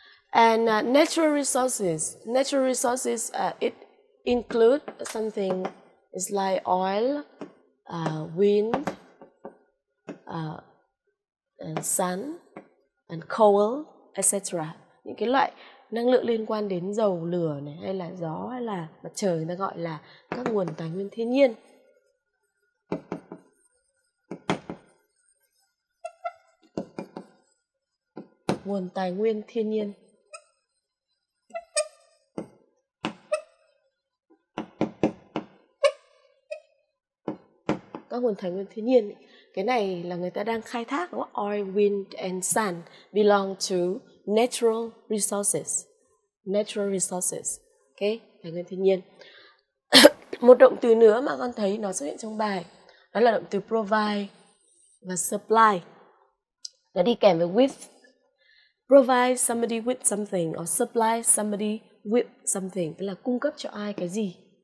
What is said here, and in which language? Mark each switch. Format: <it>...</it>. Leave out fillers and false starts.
<en>And natural resources it include something is like oil, wind, and sun, and coal, etc.</en> <vi>Những cái loại năng lượng liên quan đến dầu lửa này, hay là gió, hay là mặt trời, người ta gọi là các nguồn tài nguyên thiên nhiên. Nguồn tài nguyên thiên nhiên. Các nguồn tài nguyên thiên nhiên, cái này là người ta đang khai thác đúng không?</vi> <en>Oil, wind and sun belong to natural resources. Natural resources.</en> <vi>Okay, tài nguyên thiên nhiên. Một động từ nữa mà con thấy nó xuất hiện trong bài, đó là động từ provide và supply. Nó đi kèm với</vi> <en>with. Provide somebody with something or supply somebody whip something,</en> <vi>tức là cung cấp cho ai cái gì?</vi>